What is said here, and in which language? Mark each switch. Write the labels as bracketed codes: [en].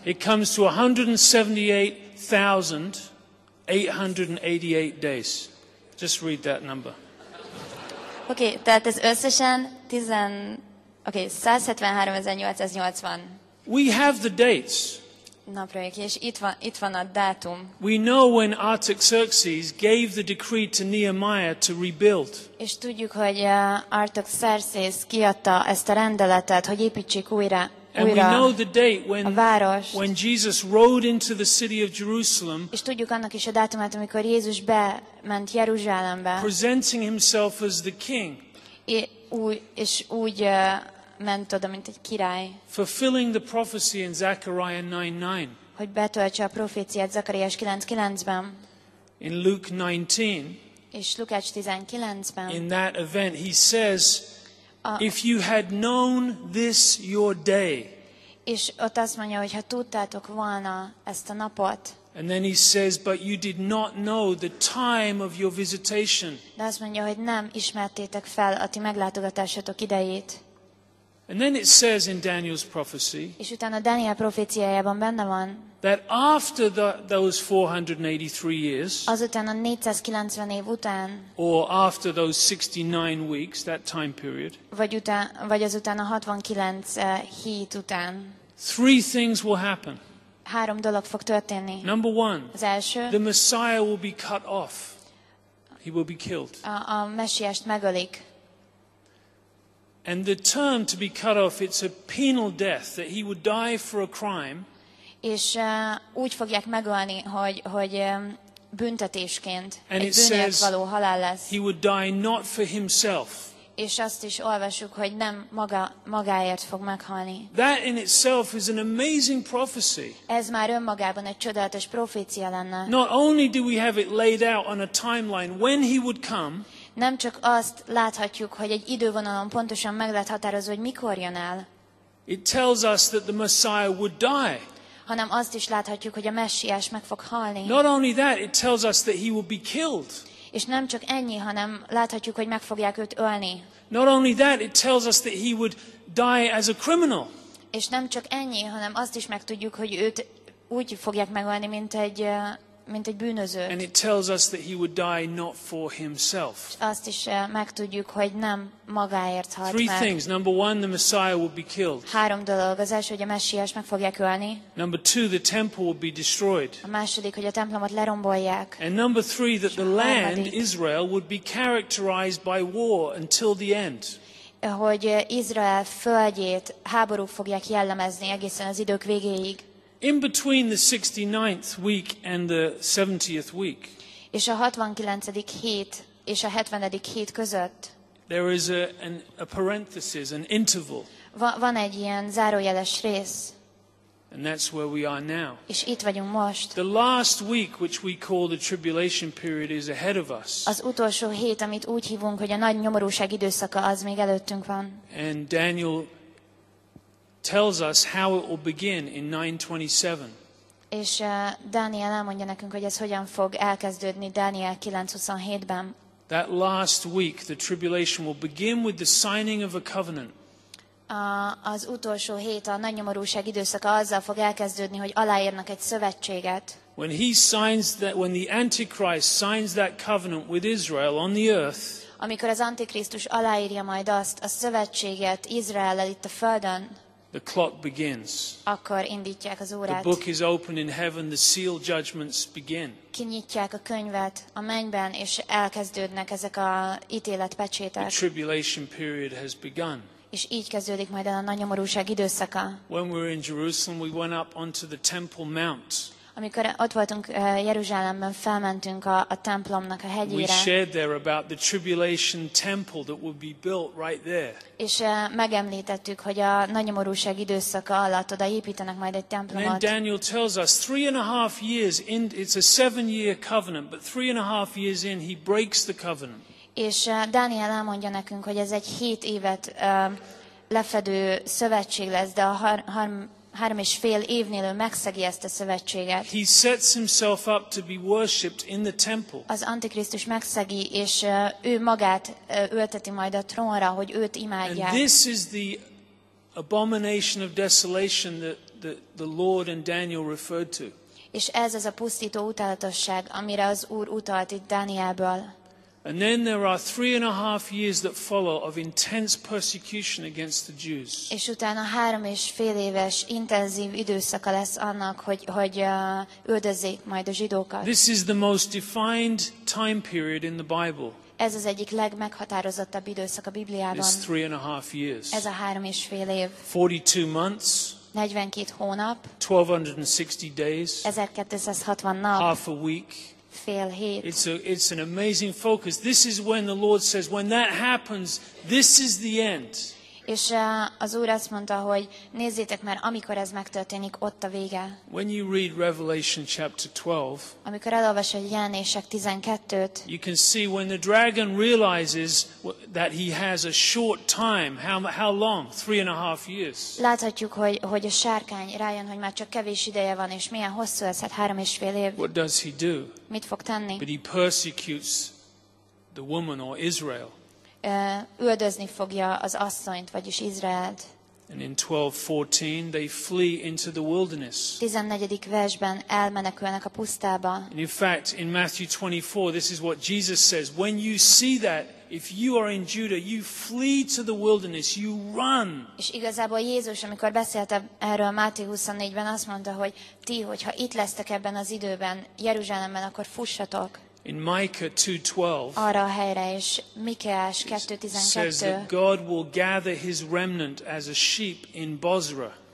[en] It comes to 178,888 days. Just read that number. [hu] Okay, tehát ez összesen 173,880. [en] We have the dates. [hu] Napraik, és itt van a dátum. [en] We know when Artaxerxes gave the decree to Nehemiah to rebuild. [hu] És tudjuk, hogy Artaxerxes kiadta ezt a rendeletet, hogy építsék újra. [en] And we know the date when Jesus rode into the city of Jerusalem. [hu] És tudjuk annak is a dátumát, amikor Jézus bement Jeruzsálembe. [en] Presenting himself as the king. [hu] És úgy ment oda, mint egy király. [en] Fulfilling the prophecy in Zechariah 9:9. [hu] Hogy betöltse a proféciát Zakariás 9:9-ben. [en] In Luke 19. [hu] És Lukács 19-ben. [en] In that event he says, if you had known this your day. [hu] És ott azt mondja, hogy ha tudtátok volna ezt a napot. [en] And then he says, but you did not know the time of your visitation. [hu] De azt mondja, hogy nem ismertétek fel a ti meglátogatásotok idejét. [en] And then it says in Daniel's prophecy. [hu] És utána Dániel proféciájában benne van. [en] That after those 483 years. [hu] Azután a 490 év után. [en] Or after those 69 weeks, that time period. [hu] Vagy azután a 69 hét után. [en] Three things will happen. [hu] Három dolog fog történni. [en] Number one. [hu] Az első. [en] The Messiah will be cut off. He will be killed. [hu] A Messiást megölik. [en] And the term to be cut off, it's a penal death, that he would die for a crime. [hu] És úgy fogják megölni, hogy büntetésként [en] and [hu] egy bűnért való halál lesz. [en] He would die not for himself. [hu] És azt is olvasjuk, hogy nem magáért fog meghalni. [en] That in itself is an amazing prophecy. [hu] Ez már önmagában egy csodálatos profécia lenne. [en] Not only do we have it laid out on a timeline when he would come. [hu] Nem csak azt láthatjuk, hogy egy idővonalon pontosan meg lehet határozni, hogy mikor jön el. [en] It tells us that the Messiah would die. [hu] Hanem azt is láthatjuk, hogy a Messiás meg fog halni. [en] Not only that, it tells us that he will be killed. [hu] És nem csak ennyi, hanem láthatjuk, hogy meg fogják őt ölni. [en] Not only that, it tells us that he would die as a criminal. [hu] És nem csak ennyi, hanem azt is megtudjuk, hogy őt úgy fogják megölni, mint egy bűnözőt. [en] And it tells us that he would die not for himself. [hu] Azt is megtudjuk, hogy nem magáért halt meg. [en] Three things. Number one, the Messiah will be killed. [hu] Három dolog. Az első, hogy a Messiás meg fogják ölni. [en] Number two, the temple will be destroyed. [hu] A második, hogy a templomot lerombolják. [en] And number three, that the land, Israel, would be characterized by war until the end. [hu] Hogy Izrael földjét háborúk fogják jellemezni egészen az idők végéig. [en] In between the 69th week and the 70th week. [hu] És a 69. hét és a 70. hét között. [en] There is a parenthesis, an interval. [hu] Van egy ilyen zárójeles rész. [en] And that's where we are now. [hu] És itt vagyunk most. [en] The last week, which we call the tribulation period, is ahead of us. [hu] Az utolsó hét, amit úgy hívunk, hogy a nagy nyomorúság időszaka, az még előttünk van. [en] And Daniel tells us how it will begin in 927. [hu] És Dániel elmondja nekünk, hogy ez hogyan fog elkezdődni Dániel 927-ben. [en] That last week, the tribulation will begin with the signing of a covenant. [hu] Az utolsó hét, a nagy nyomorúság időszaka azzal fog elkezdődni, hogy aláírnak egy szövetséget. [en] When he signs that, when the Antichrist signs that covenant with Israel on the earth. [hu] Amikor az Antikrisztus aláírja majd azt a szövetséget Izraellel itt a földön. [en] The clock begins. [hu] Akkor indítják az órát. [en] The book is open in heaven, the seal judgments begin. [hu] Kinyitják a könyvet a mennyben, és elkezdődnek ezek a ítéletpecsétek. [en] The tribulation period has begun. [hu] És így kezdődik majd a nagy nyomorúság időszaka. [en] When we were in Jerusalem, we went up onto the Temple Mount. [hu] Amikor ott voltunk Jeruzsálemben, felmentünk a templomnak a hegyére. [en] We shared there about the tribulation temple that would be built right there. [hu] És megemlítettük, hogy a nagy nyomorúság időszaka alatt oda építenek majd egy templomot. [en] And Daniel tells us 3.5 years in, it's a 7-year covenant, but 3.5 years in, he breaks the covenant. [hu] És Dániel elmondja nekünk, hogy ez egy 7 évet lefedő szövetség lesz, de a 3.5 évnél ő megszegi ezt a szövetséget. [en] He sets himself up to be worshipped in the temple. [hu] Az Antikrisztus megszegi, és ő magát ülteti majd a trónra, hogy őt imádják. [en] And this is the abomination of desolation that the Lord and Daniel referred to. [hu] És ez az a pusztító utálatosság, amire az Úr utalt itt Dánielből. [en] And then there are 3.5 years that follow of intense persecution against the Jews. [hu] És utána 3.5 éves intenzív időszaka lesz annak, hogy üldözzék majd a zsidókat. [en] This is the most defined time period in the Bible. [hu] Ez az egyik legmeghatározottabb időszak a Bibliában. [en] It's 3.5 years. [hu] Ez a 3.5 év. [en] 42 months. [hu] 42 hónap. [en] 1260 days. [hu] 1260 nap. [en] Half a week. It's an amazing focus. This is when the Lord says, when that happens, this is the end. [hu] És az Úr azt mondta, hogy nézzétek, mert amikor ez megtörténik, ott a vége. [en] When you read Revelation chapter 12, [hu] amikor elolvasod Jelenések 12-t, [en] you can see when the dragon realizes that he has a short time. How long? 3.5 years. [hu] Láthatjuk, hogy a sárkány rájön, hogy már csak kevés ideje van, és milyen hosszú ez, hát 3.5 év. [en] What does he do? [hu] Mit fog tenni? [en] But he persecutes the woman or Israel. [hu] Üldözni fogja az asszonyt, vagyis Izraelt. [en] And in 12:14 they flee into the wilderness. [hu] 14. versben elmenekülnek a pusztába. [en] And in fact, in Matthew 24, this is what Jesus says: when you see that, if you are in Judah, you flee to the wilderness, you run. [hu] És igazából Jézus, amikor beszélt erről a Máté 24-ben, azt mondta, hogy ti, hogyha itt lesztek ebben az időben, Jeruzsálemben, akkor fussatok. [en] In Micah 2:12, [hu] arra a helyre, és Mikeás 2:12, [en] says that God will gather His remnant as a sheep in Bozra.